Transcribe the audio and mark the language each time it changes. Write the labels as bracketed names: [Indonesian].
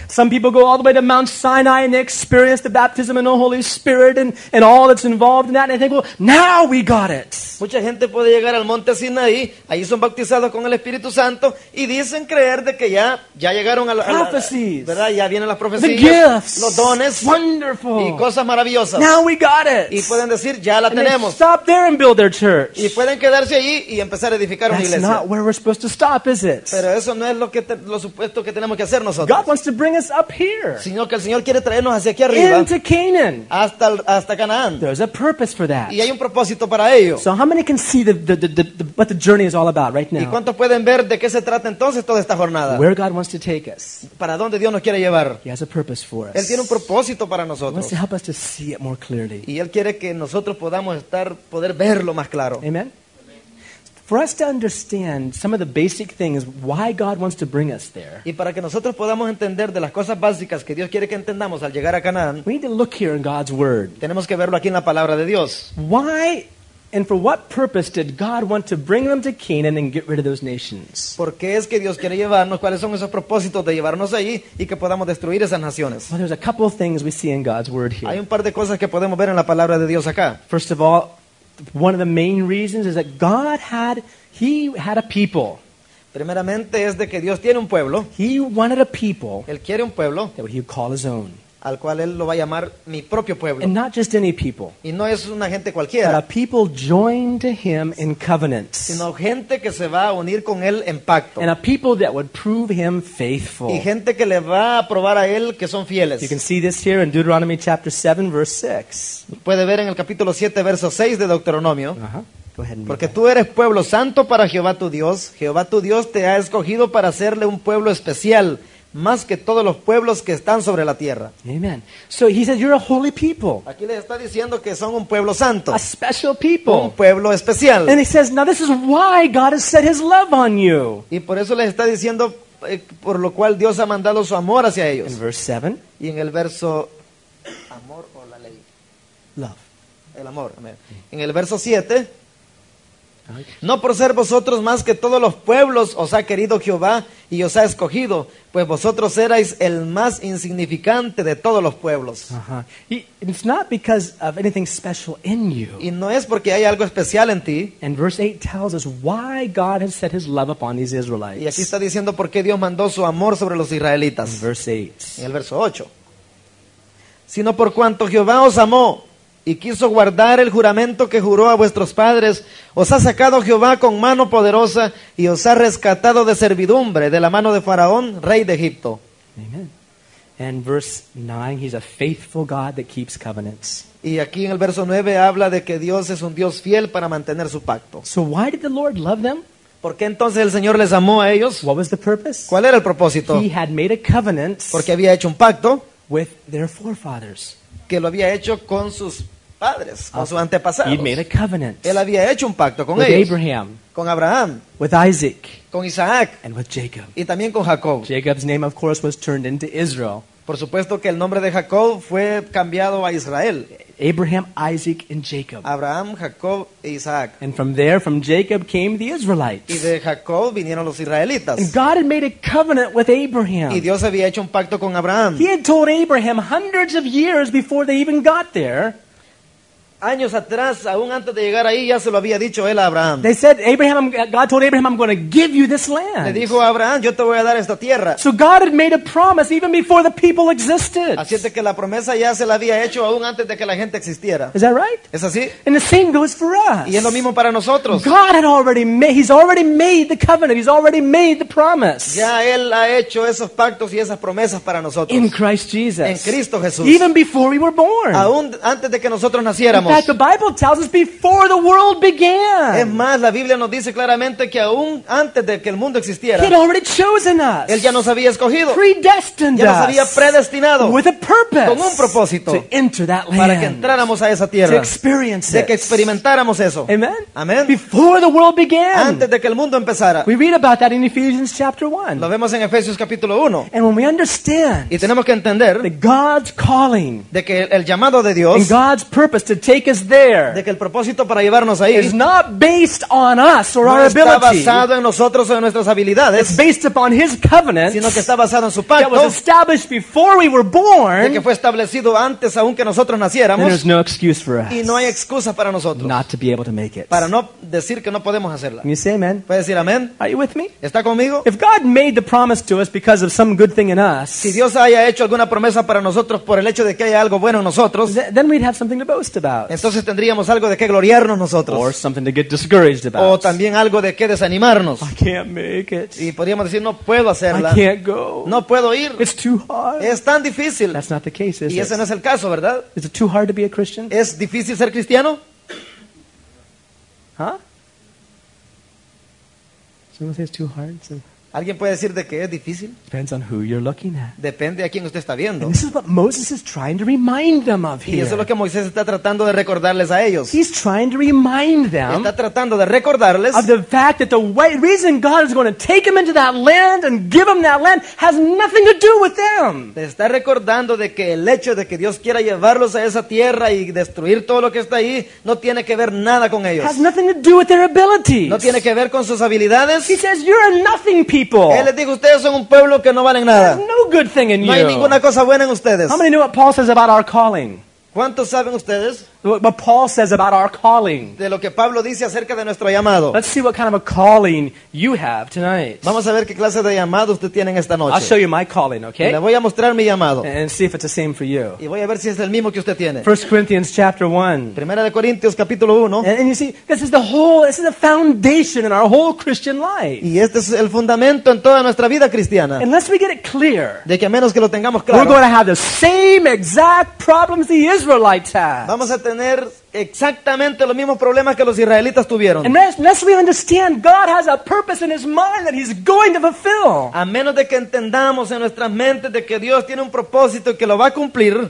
[English] Some people go all the way to Mount Sinai and they experience the baptism in the Holy Spirit and all that's involved in that. And they think, well, now we got it. [Spanish] Mucha gente puede llegar al Monte Sinaí, ahí son bautizados con el Espíritu Santo y dicen creer de que ya llegaron a [English] prophecies, [Spanish] verdad, ya vienen las profecías, [English] the gifts, [Spanish] los dones, [English] wonderful, [Spanish] y cosas maravillosas. [English] Now we got it. [Spanish] Y pueden decir ya la [English] and [Spanish] tenemos. [English] They stop there and build their church. [Spanish] Y pueden quedarse allí y empezar a edificar [English] that's [Spanish] una iglesia. [English] That's not where we're supposed to stop, is it? [Spanish] Pero eso no es lo supuesto que tenemos que hacer nosotros. [English] God wants to bring us up here. [Spanish] Sino que el Señor quiere traernos hacia aquí arriba. [English] Into Canaan. [Spanish] Hasta Canaán. [English] There's a purpose for that. [Spanish] Y hay un propósito para ello. [English] So how many can see the what the journey is all about right now? [Spanish] ¿Y cuántos pueden ver de qué se trata entonces toda esta jornada? [English] Where God wants to take us. [Spanish] ¿Para dónde Dios nos quiere llevar? [English] He has a purpose for us. [Spanish] Él tiene un propósito para nosotros. [English] He wants to help us to see it more clearly. [Spanish] Y él quiere que nosotros podamos poder verlo más claro. [English] Amen. For us to understand some of the basic things why God wants to bring us there. [Spanish] Y para que nosotros podamos entender de las cosas básicas que Dios quiere que entendamos al llegar a Canaán. [English] We need to look here in God's word. [Spanish] Tenemos que verlo aquí en la palabra de Dios. [English] Why and for what purpose did God want to bring them to Canaan and get rid of those nations? [Spanish] ¿Por qué es que Dios quiere llevarnos? ¿Cuáles son esos propósitos de llevarnos allí y que podamos destruir esas naciones? [English] Well, there's a couple of things we see in God's word here. [Spanish] Hay un par de cosas que podemos ver en la palabra de Dios acá. [English] First of all, one of the main reasons is that God had a people. [Spanish] Primeramente es de que Dios tiene un pueblo. [English] He wanted a people. [Spanish] Él quiere un pueblo [English] that he would call his own. [Spanish] al cual él lo va a llamar mi propio pueblo. [English] And not just any people. [Spanish] Y no es una gente cualquiera. [English] But a people joined to him in covenants. [Spanish] Sino gente que se va a unir con él en pacto. [English] And a people that would prove him faithful. [Spanish] Y gente que le va a probar a él que son fieles. [English] You can see this here in Deuteronomy chapter 7 verse 6. [Spanish] Puede ver en el capítulo 7 verso 6 de Deuteronomio. [English] Uh-huh. Go ahead and read. [Spanish] Porque tú eres pueblo santo para Jehová tu Dios. Jehová tu Dios te ha escogido para hacerle un pueblo especial. Más que todos los pueblos que están sobre la tierra. [English] Amen. So he says you're a holy people. [Spanish] Aquí les está diciendo que son un pueblo santo. [English] A special people. [Spanish] Un pueblo especial. [English] And he says, now this is why God has set His love on you. [Spanish] Y por eso les está diciendo por lo cual Dios ha mandado su amor hacia ellos. [English] In verse 7. [Spanish] Y en el verso amor o la ley. [English] Love. [Spanish] El amor. Amen. En el verso 7. No por ser vosotros más que todos los pueblos os ha querido Jehová y os ha escogido, pues vosotros erais el más insignificante de todos los pueblos. [English] Uh-huh. It's not because of anything special in you. [Spanish] Y no es porque hay algo especial en ti. [English] And verse 8 tells us why God has set His love upon these Israelites. [Spanish] Y aquí está diciendo por qué Dios mandó su amor sobre los israelitas. [English] In verse 8. [Spanish] En el verso 8. Sino por cuanto Jehová os amó y quiso guardar el juramento que juró a vuestros padres, os ha sacado Jehová con mano poderosa y os ha rescatado de servidumbre de la mano de Faraón, rey de Egipto. [English] Amen. And verse 9, he's a faithful God that keeps covenants. [Spanish] Y aquí en el verso 9 habla de que Dios es un Dios fiel para mantener su pacto. [English] So why did the Lord love them? [Spanish] ¿Por qué entonces el Señor les amó a ellos? [English] What was the purpose? [Spanish] ¿Cuál era el propósito? [English] He had made a covenant. [Spanish] Porque había hecho un pacto [English] with their forefathers. [Spanish] Que lo había hecho con sus padres, con sus antepasados. [English] He made a covenant. [Spanish] Él había hecho un pacto con [English] with [Spanish] ellos. [English] Abraham, [Spanish] con Abraham. [English] With Isaac. [Spanish] Con Isaac. [English] And with Jacob. [Spanish] Y también con Jacob. [English] Jacob's name, of course, was turned into Israel. [Spanish] Por supuesto que el nombre de Jacob fue cambiado a Israel. [English] Abraham, Isaac, and Jacob. [Spanish] Abraham, Jacob, e Isaac. [English] And from there, from Jacob came the Israelites. [Spanish] Y de Jacob vinieron los israelitas. [English] And God had made a covenant with Abraham. [Spanish] Y Dios había hecho un pacto con Abraham. [English] He had told Abraham hundreds of years before they even got there. [Spanish] Años atrás, aún antes de llegar ahí, ya se lo había dicho él a Abraham. [English] They said, Abraham, God told Abraham, I'm going to give you this land. [Spanish] Le dijo a Abraham, yo te voy a dar esta tierra. [English] So God had made a promise even before the people existed. [Spanish] Así es que la promesa ya se la había hecho aún antes de que la gente existiera. [English] Is that right? [Spanish] ¿Es así? [English] And the same goes for us. [Spanish] Y es lo mismo para nosotros. [English] God had already made, He's already made the covenant. He's already made the promise. [Spanish] Ya él ha hecho esos pactos y esas promesas para nosotros. [English] In Christ Jesus. [Spanish] En Cristo Jesús. [English] Even before we were born. [Spanish] Aún antes de que nosotros naciéramos. [English] That the Bible tells us before the world began. [Spanish] Es más, la Biblia nos dice claramente que aún antes de que el mundo existiera, [English] He had already chosen us. [Spanish] Él ya nos había escogido. [English] Predestined us. [Spanish] Ya nos había predestinado. [English] With a purpose. [Spanish] Con un propósito. [English] To enter that land. [Spanish] Para que entráramos a esa tierra. [English] To experience it. [Spanish] De que experimentáramos eso. [English] Amen. Amen. Before the world began. [Spanish] Antes de que el mundo empezara. [English] We read about that in Ephesians chapter 1. [Spanish] Lo vemos en Efesios capítulo 1. [English] And when we understand. [Spanish] Y tenemos que entender. [English] That God's calling. [Spanish] De que el llamado de Dios. [English] And God's purpose to take is there. [Spanish] De que el propósito para llevarnos ahí [English] is not based on us or [Spanish] no [English] our ability. [Spanish] Está basado en nosotros o en nuestras habilidades. [English] It's based upon His covenant. [Spanish] Sino que está basado en su pacto. [English] That was established before we were born. [Spanish] De que fue establecido antes aún que nosotros naciéramos. [English] And there's no excuse for us. [Spanish] Y no hay excusa para nosotros. [English] Not to be able to make it. [Spanish] Para no decir que no podemos hacerla. [English] Can you say amen? [Spanish] ¿Puedes decir amén? [English] Are you with me? [Spanish] ¿Está conmigo? [English] If God made the promise to us because of some good thing in us. [Spanish] Si Dios haya hecho alguna promesa para nosotros por el hecho de que haya algo bueno en nosotros. [English] Then we'd have something to boast about. [Spanish] Entonces tendríamos algo de qué gloriarnos nosotros. [English] Or something to get discouraged about. [Spanish] O también algo de qué desanimarnos. [English] I can't make it. [Spanish] Y podríamos decir, no puedo hacerla. [English] I can't go. [Spanish] No puedo ir. [English] It's too hard. [Spanish] Es tan difícil. [English] That's not the case, is it? [Spanish] Y ese no es el caso, ¿verdad? [English] Is it too hard to be a Christian? [Spanish] ¿Es difícil ser cristiano? [English] Huh? Someone says too hard. [Spanish] ¿Alguien puede decir de que es difícil? [English] Depends on who you're looking at. [Spanish] Depende a quién usted está viendo. [English] And this is what Moses is trying to remind them of here. [Spanish] Y eso es lo que Moisés está tratando de recordarles a ellos. [English] He's trying to remind them. [Spanish] Está tratando de recordarles. [English] Of the fact that the reason God is going to take them into that land and give them that land has nothing to do with them. [Spanish] Les está recordando de que el hecho de que Dios quiera llevarlos a esa tierra y destruir todo lo que está ahí no tiene que ver nada con ellos. [English] Has nothing to do with their abilities. [Spanish] No tiene que ver con sus habilidades. [English] He says, "You're a nothing people." [Spanish] Él les dijo, ustedes son un pueblo que no valen nada. [English] No good thing in you. [Spanish] No hay ninguna cosa buena en ustedes. [English] How many know what Paul says about our calling? [Spanish] ¿Cuántos saben ustedes? [English] what Paul says about our calling. [Spanish] De lo que Pablo dice acerca de nuestro llamado. [English] Let's see what kind of a calling you have tonight. [Spanish] Vamos a ver qué clase de llamado usted tiene esta noche. [English] I'll show you my calling, okay? [Spanish] Le voy a mostrar mi llamado. [English] And see if it's the same for you. [Spanish] Y voy a ver si es el mismo que usted tiene. [English] 1 Corinthians chapter 1. [Spanish] Primera de Corintios capítulo 1. [English] And you see, this is the foundation in our whole Christian life. [Spanish] Y este es el fundamento en toda nuestra vida cristiana. [English] Unless we get it clear. [Spanish] De que a menos que lo tengamos claro. [English] We're going to have the same exact problems the Israelites have. [Spanish] Vamos a tener exactamente los mismos problemas que los israelitas tuvieron. [English] Unless we understand God has a purpose in his mind that he's going to fulfill. [Spanish] A menos de que entendamos en nuestras mentes de que Dios tiene un propósito y que lo va a cumplir.